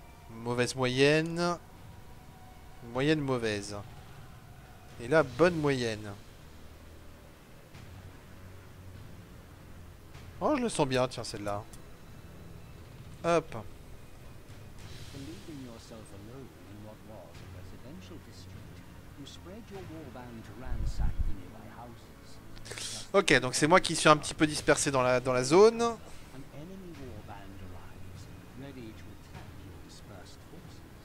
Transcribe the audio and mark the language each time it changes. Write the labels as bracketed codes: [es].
[fr] Mauvaise moyenne. Moyenne mauvaise. Et là, bonne moyenne. Oh, je le sens bien, tiens, celle-là. Hop. [en] Yourself alone in what was a residential district, you spread your warband to ransack the nearby houses. [fr] Ok, donc c'est moi qui suis un petit peu dispersé dans la zone. [en] An enemy warband arrives, ready to attack your dispersed forces.